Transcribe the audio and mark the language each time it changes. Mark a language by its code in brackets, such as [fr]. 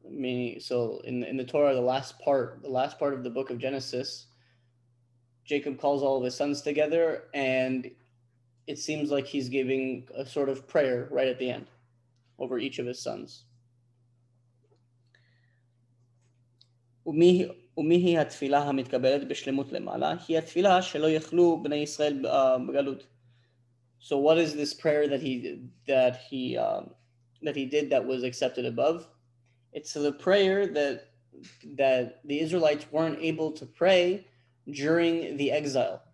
[en] Meaning, so in the Torah, the last part of the book of Genesis, Jacob calls all of his sons together, and it seems like he's giving a sort of prayer right at the end over each of his sons. [he] ומי היא התפילה המתקבלת בשלמות למעלה? היא התפילה שלא יכלו בני ישראל בגלות. [en] So what is this prayer that he did that was accepted above? It's the prayer that the Israelites weren't able to pray during the exile.